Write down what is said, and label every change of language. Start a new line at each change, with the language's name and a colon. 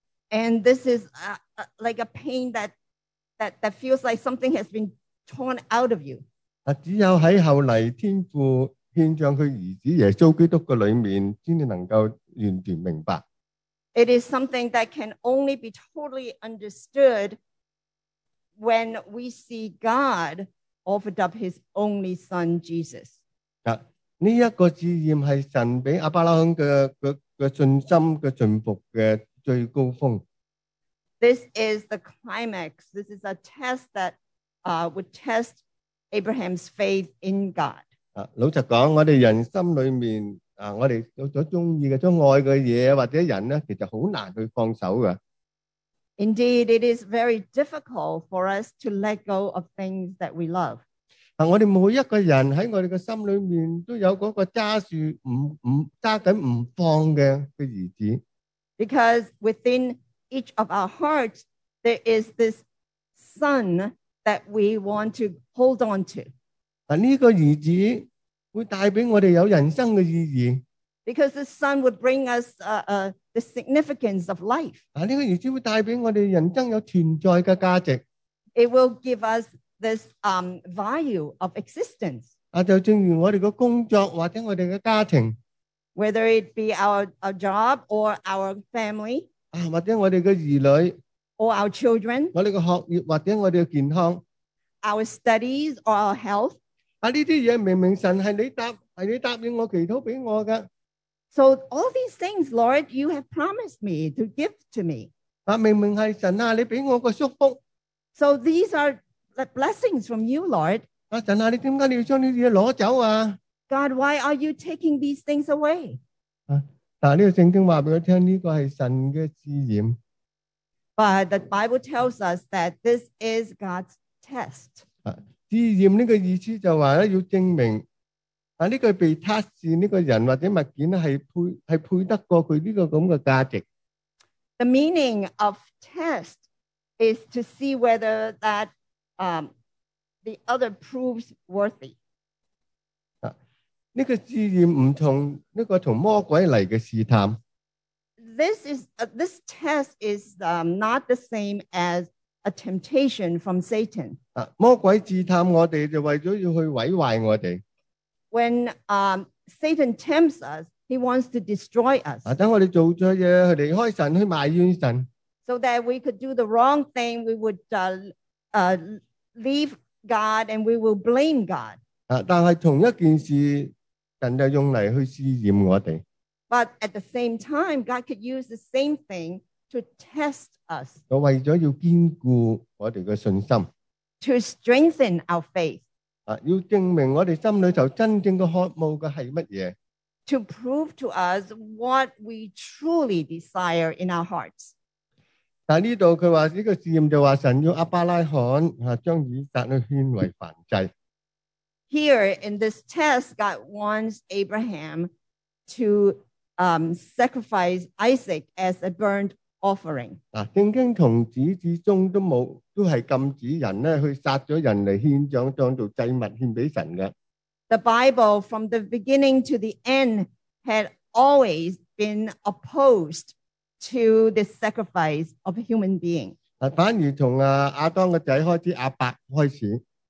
English: And this is like a pain that feels like something has been torn out of you.
Chinese: 只有在后来天父献上他儿子耶稣基督的里面才能够完全明白。
English: It is something that can only be totally understood when we see God offered up his only son, Jesus.
Chinese: 这个试验是神给亚伯拉罕的信心的顺服的最高峰。
English: This is the climax. This is a test that would test Abraham's faith in God.
Chinese: 老实说，我们人心里面我们有了喜欢的，有了爱的东西或者人呢，其实很难去放手的。
English: Indeed, it is very difficult for us to let go of things that we love.
Chinese: 我们每一个人在我们的心里面都有那个抓紧不放的儿子。
English: Because within each of our hearts, there is this son that we want to hold on to.
Chinese: 这个儿子会带给我们有人生的意义。
English: Because the sun would bring us the significance of life.
Chinese: 这个儿子会带给我们人生有存在的价值。
English: It will give us this value of existence.
Chinese: 就正如我们的工作或者我们的家庭。
English: Whether it be our job or our family.
Chinese: 或者我们的儿女。
English: Or our children.
Chinese: 我们的学业或者我们的健康。
English: Our studies or our health.
Chinese: 这些东西明明神是你答应我祈祷给我的。
English: So all these things, Lord, you have promised me to give to me.
Chinese: 明明是神啊，你给我个祝福。
English: So these are the blessings from you, Lord.
Chinese: 神啊，你为什么要将这些东西拿走啊？
English: God, why are you taking these things away?
Chinese: 这个圣经告诉我，这个是神的试验。
English: But the Bible tells us that this is God's test.
Chinese: 试验这个意思就是说要证明这个被测试这个人或者物件是配得过他这个这样的价值。
English: The meaning of test is to see whether that the other proves worthy.
Chinese: 这个试验不同这个从魔鬼来的试探。
English: This test is not the same as a temptation from Satan.
Chinese: 魔鬼试探我们就为了要去毁坏我们。
English: When Satan tempts us, he wants to destroy us.
Chinese: 等我们做错事去离开神去埋怨神。
English: So that we could do the wrong thing, we would leave God and we will blame God.
Chinese: 但是同一件事神就用来去试验我们。
English: But at the same time, God could use the same thing to test us,
Chinese: 为了要坚固我们的信心，
English: to strengthen our faith,
Chinese: 要证明我们心里头真正的渴慕的是什么，
English: to prove to us what we truly desire in our hearts.
Chinese: 但这里他说这个试验就说神要亚伯拉罕将以撒去献为燔祭。
English: Here in this test, God wants Abraham to sacrifice Isaac as a burnt offering.
Chinese: 圣经从始至终都是禁止人呢去杀了人来献上当作祭物献给神的。
English: The Bible from the beginning to the end had always been opposed to the sacrifice of a human being.
Chinese: 反而从亚当的仔开始亚伯开始。